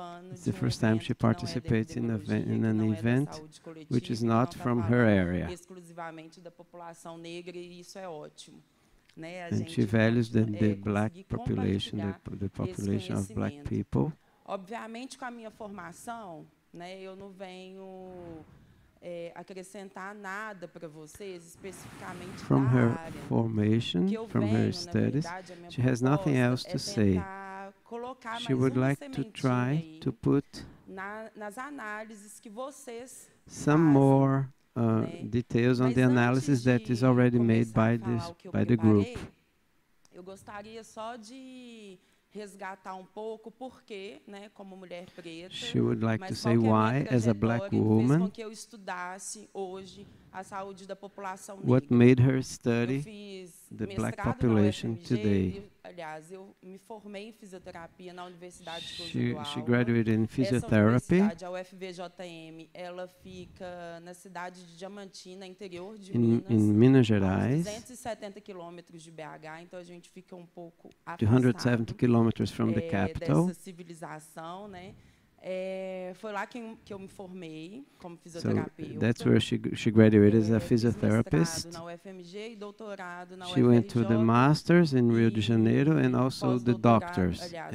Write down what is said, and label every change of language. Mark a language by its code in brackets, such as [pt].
[en] It's the first time she participates in an event which is not from her area. [pt] Exclusivamente da população negra, e isso é ótimo. [en] And she values the black population, the population of black people. [pt] Obviamente, com a minha formação, né, eu não venho acrescentar nada para vocês especificamente. [en] From her formation, from her studies, she has nothing else to say. She would like to try to put [pt] nas análises que vocês [en] some more details on the analysis that is already made by this by the group. [pt] Eu gostaria só de resgatar pouco porque, né, como mulher preta, [en] she would like to say why, as a black woman, [pt] que eu estudasse hoje a saúde da população negra. [en] What made her study the black population today? [pt] Aliás, eu me formei em fisioterapia na Universidade de [en] Cozumel. She graduated in physiotherapy. [pt] Essa universidade, a UFVJM, ela fica na cidade de Diamantina, interior de Minas. [en] In Minas Gerais. [pt] 270 quilômetros de BH, então a gente fica pouco afastado. [en] 270 kilometers from the capital. [pt] Dessa civilização, né? Foi lá que eu me formei como fisioterapeuta. [en] So that's where she graduated as a physiotherapist. [pt] Fiz mestrado na UFMG e doutorado na [en] UFRJ. She went to the masters in Rio de Janeiro and also the doctors.